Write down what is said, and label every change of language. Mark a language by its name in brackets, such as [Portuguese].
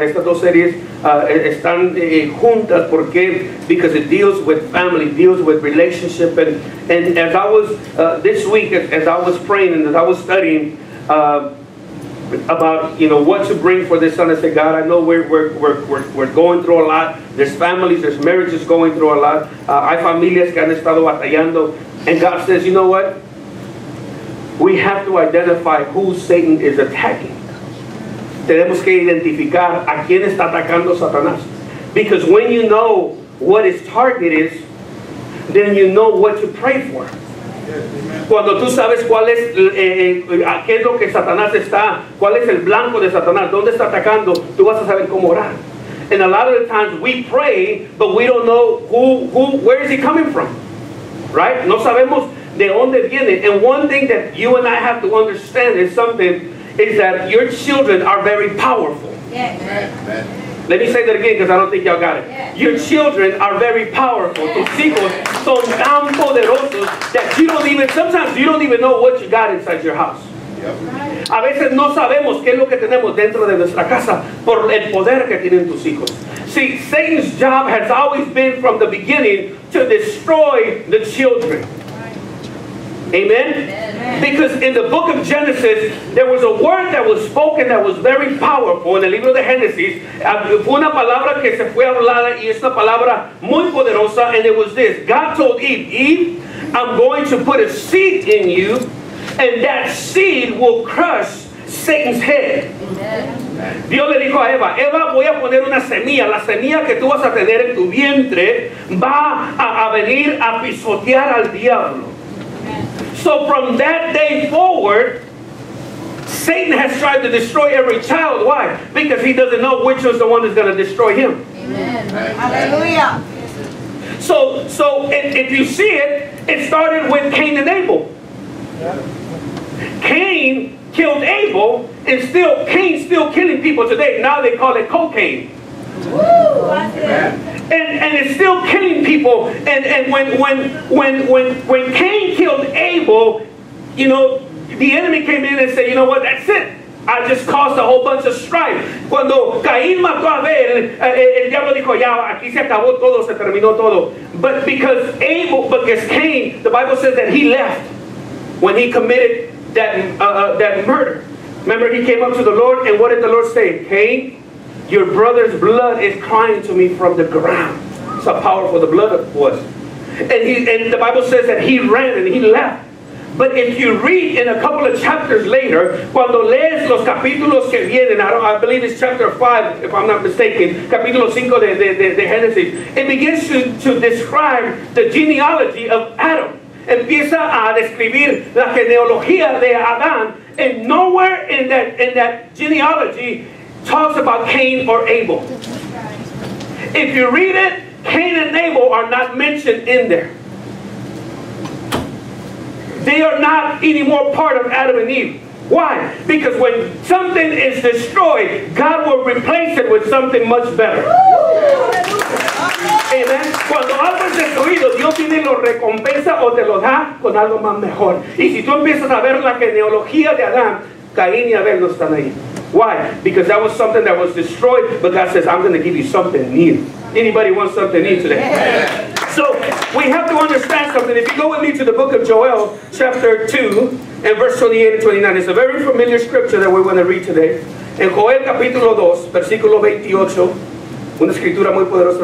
[Spanish] Estas dos series están juntas porque [English] because it deals with family, deals with relationship, and as I was this week as I was praying and as I was studying about, you know, what to bring for this son, I said, God, I know we're going through a lot. There's families, there's marriages going through a lot. [Spanish] Hay familias que han estado batallando. [English] And God says, you know what? We have to identify who Satan is attacking. [Spanish] Tenemos que identificar a quién está atacando Satanás. [English] Because when you know what his target is, then you know what to pray for. [Spanish] Cuando tú sabes cuál es qué es lo que Satanás está, cuál es el blanco de Satanás, dónde está atacando, tú vas a saber cómo orar. [English] And a lot of the times we pray, but we don't know who where is he coming from, right? [Spanish] No sabemos de dónde viene. [English] And one thing that you and I have to understand is something is that your children are very powerful. Yes. Let me say that again because I don't think y'all got it. Yes. Your children are very powerful. Yes. [Spanish] Tus hijos son tan poderosos [English] that you don't even, sometimes you don't even know what you got inside your house. Yep. [Spanish] A veces no sabemos qué es lo que tenemos dentro de nuestra casa por el poder que tienen tus hijos. [English] See, Satan's job has always been from the beginning to destroy the children. Amen? Because in the book of Genesis, there was a word that was spoken that was very powerful. [Spanish] In the libro de Genesis, fue una palabra que se fue hablada y es una palabra muy poderosa, [English] and it was this. God told Eve, Eve, I'm going to put a seed in you, and that seed will crush Satan's head. Amen. [Spanish] Dios le dijo a Eva, Eva, voy a poner una semilla. La semilla que tú vas a tener en tu vientre va a venir a pisotear al diablo. [English] So from that day forward, Satan has tried to destroy every child. Why? Because he doesn't know which is the one that's going to destroy him. Amen. Amen. Hallelujah. So if you see it, it started with Cain and Abel. Cain killed Abel, and still Cain's still killing people today. Now they call it cocaine. And it's still killing people. And when Cain killed Abel, you know, the enemy came in and said, you know what, that's it. I just caused a whole bunch of strife. [Spanish] Cuando Caín mató a Abel, el diablo dijo, ya, aquí se acabó todo, se terminó todo. [English] But because Cain, the Bible says that he left when he committed that murder. Remember, he came up to the Lord, and what did the Lord say? Cain, your brother's blood is crying to me from the ground. That's how powerful the blood was. And the Bible says that he ran and he left. But if you read in a couple of chapters later, [Spanish] cuando lees los capítulos que vienen, [English] I believe it's chapter 5, if I'm not mistaken, [Spanish] capítulo 5 de Genesis, [English] it begins to describe the genealogy of Adam. [Spanish] Empieza a describir la genealogía de Adán. [English] And nowhere in that genealogy talks about Cain or Abel. If you read it, Cain and Abel are not mentioned in there. They are not anymore part of Adam and Eve. Why? Because when something is destroyed, God will replace it with something much better. Amen. [Spanish] Cuando algo es destruido, Dios viene y lo recompensa o te lo da con algo más mejor. Y si tú empiezas a ver la genealogía de Adán, Caín y Abel no están ahí. [English] Why? Because that was something that was destroyed, but God says, I'm going to give you something new. Anybody want something new today? Yeah. So we have to understand something. If you go with me to the book of Joel, chapter 2, and verse 28 and 29, it's a very familiar scripture that we're going to read today. [Spanish] In Joel, capítulo 2, versículo 28, una escritura muy poderosa.